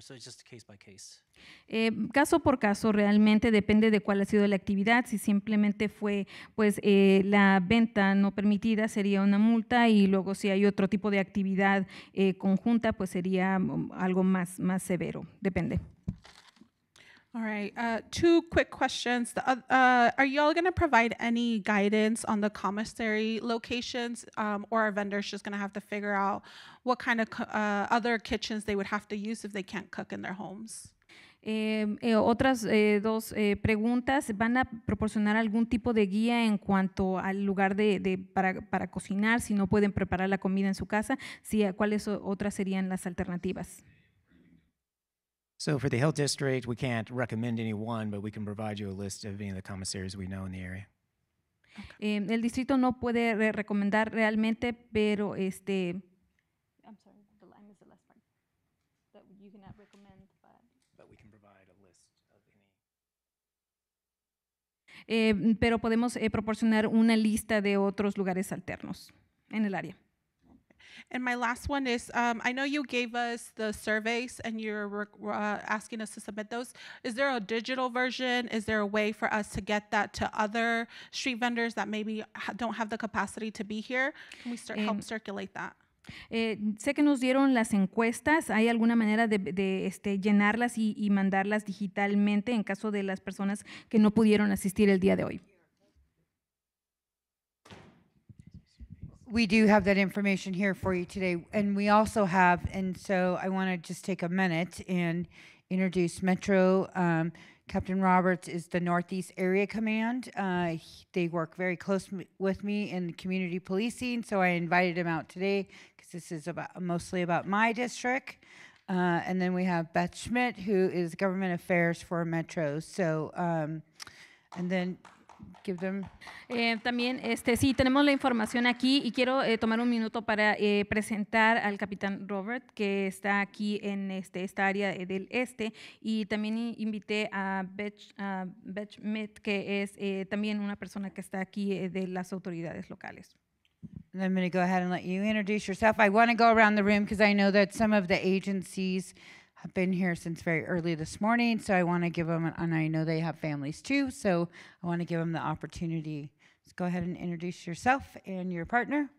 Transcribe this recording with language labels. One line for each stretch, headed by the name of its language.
English: So it's just case by case.
Spanish: Caso por caso, realmente depende de cuál ha sido la actividad. Si simplemente fue, pues, la venta no permitida, sería una multa. Y luego, si hay otro tipo de actividad conjunta, pues sería algo más severo. Depende.
English: All right. Two quick questions. Are you all going to provide any guidance on the commissary locations, or are vendors just going to have to figure out what kind of other kitchens they would have to use if they can't cook in their homes?
Spanish: Otras dos preguntas. ¿Van a proporcionar algún tipo de guía en cuanto al lugar para cocinar si no pueden preparar la comida en su casa? Sí, ¿cuáles otras serían las alternativas?
English: So for the health district, we can't recommend any one, but we can provide you a list of any of the commissaries we know in the area. Okay.
Spanish: El distrito no puede recomendar realmente, pero este.
English: I'm sorry, I missed the last part. That you cannot recommend, but we can provide a list of any.
Spanish: Pero podemos proporcionar una lista de otros lugares alternos en el área.
English: And my last one is, I know you gave us the surveys and you're asking us to submit those. Is there a digital version? Is there a way for us to get that to other street vendors that maybe don't have the capacity to be here? Can we start help circulate that?
Spanish: Sé que nos dieron las encuestas. ¿Hay alguna manera de llenarlas y mandarlas digitalmente en caso de las personas que no pudieron asistir el día de hoy?
English: We do have that information here for you today. And we also have, and so I want to just take a minute and introduce Metro. Captain Roberts is the Northeast Area Command. They work very close with me in community policing, so I invited him out today because this is mostly about my district. And then we have Beth Schmidt, who is Government Affairs for Metro. So, and then give them.
Spanish: También, sí, tenemos la información aquí y quiero tomar un minuto para presentar al Capitán Robert, que está aquí en esta área del este, y también invité a Beth Schmidt, que es también una persona que está aquí de las autoridades locales.
English: And I'm going to go ahead and let you introduce yourself. I want to go around the room because I know that some of the agencies have been here since very early this morning, so I want to give them, and I know they have families too, so I want to give them the opportunity. So go ahead and introduce yourself and your partner.